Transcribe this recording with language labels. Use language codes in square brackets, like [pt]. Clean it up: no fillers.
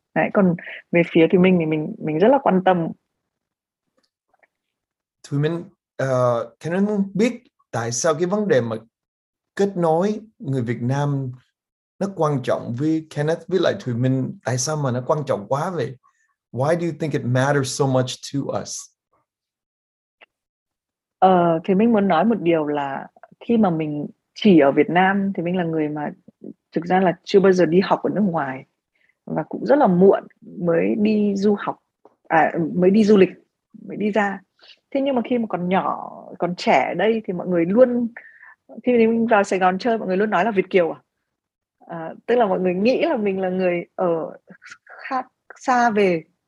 [vi] Đấy, còn về phía Thùy Minh thì mình rất là quan tâm. Thùy Minh, can anh biết tại sao cái vấn đề mà kết nối người Việt Nam nó quan trọng với Kenneth, với lại Thùy Minh, tại sao mà nó quan trọng quá vậy? [en] Why do you think it matters so much to us? [vi] Thì mình muốn nói một điều là khi mà mình chỉ ở Việt Nam thì mình là người mà thực ra là chưa bao giờ đi học ở nước ngoài, và cũng rất là muộn mới đi du học, mới đi du lịch, mới đi ra. Thế nhưng mà khi mà còn nhỏ, còn trẻ ở đây thì mọi người luôn, khi mình vào Sài Gòn chơi mọi người luôn nói là Việt Kiều tức là mọi người nghĩ là mình là người ở khác xa về.